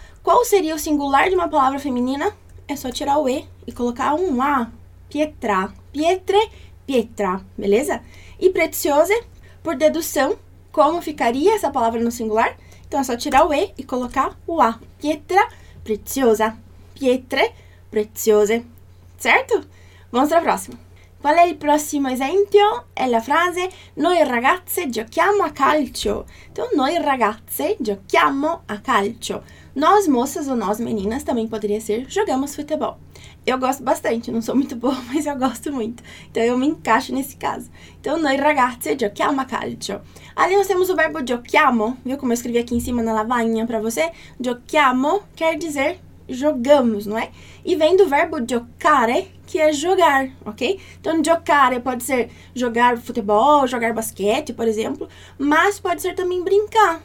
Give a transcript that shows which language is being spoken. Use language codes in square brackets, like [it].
[pt] Qual seria o singular de uma palavra feminina? É só tirar o E e colocar um A. Pietra. Pietre, pietra. Beleza? E preziose, por dedução, como ficaria essa palavra no singular? Então é só tirar o E e colocar o A. Pietra, preziosa. Pietre, preziose. Certo? [it] Mostra prossimo. Qual è il prossimo esempio? È la frase noi ragazze giochiamo a calcio. [pt] Então, [it] noi ragazze giochiamo a calcio. [pt] Nós moças ou nós meninas também poderia ser jogamos futebol. Eu gosto bastante, não sou muito boa, mas eu gosto muito. Então eu me encaixo nesse caso. Então [it] noi ragazze giochiamo a calcio. [pt] Ali nós temos o verbo giochiamo, viu como eu escrevi aqui em cima na lavagna para você? Giochiamo quer dizer jogamos, não é? E vem do verbo giocare, que é jogar, ok? Então, giocare pode ser jogar futebol, jogar basquete, por exemplo, mas pode ser também brincar.